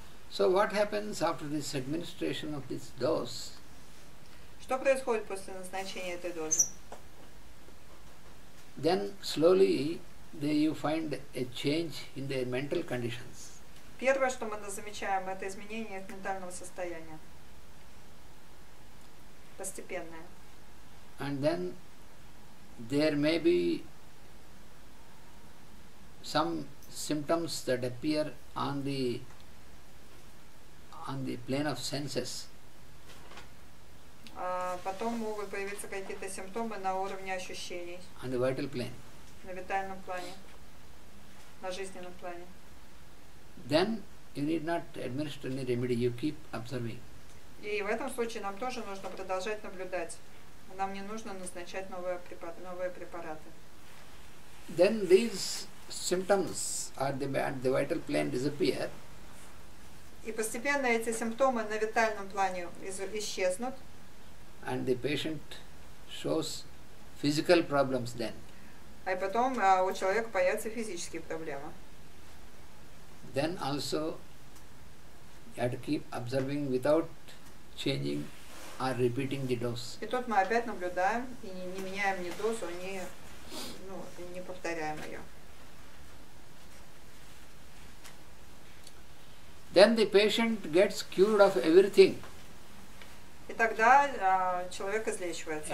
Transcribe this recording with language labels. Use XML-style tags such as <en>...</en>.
<en>So what happens after this administration of this dose?</en> <ru>Что происходит после назначения этой дозы?</ru> <en>Then slowly there you find a change in their mental conditions.</en> <ru>Первое, что мы замечаем, это изменение их ментального состояния. Постепенное.</ru> <en>And then there may be some symptoms that appear on the plane of senses.</en> <ru>Потом могут появиться какие-то симптомы на уровне ощущений.</ru> <en>On the vital plane.</en> <ru>На витальном плане. На жизненном плане.</ru> <en>Then you need not administer any remedy, you keep observing.</en> <ru>И в этом случае нам тоже нужно продолжать наблюдать. Нам не нужно назначать новые препараты.</ru> <en>Then these symptoms at the vital plane disappear.</en> <ru>И постепенно эти симптомы на витальном плане исчезнут.</ru> <en>And the patient shows physical problems then.</en> <ru>А потом у человека появятся физические проблемы.</ru> <en>Then also you have to keep observing without changing or repeating the dose.</en> <ru>И тут мы опять наблюдаем и не меняем ни дозу, ни, ну, не повторяем ее.</ru> <en>Then the patient gets cured of everything.</en> <ru>И тогда человек излечивается.</ru>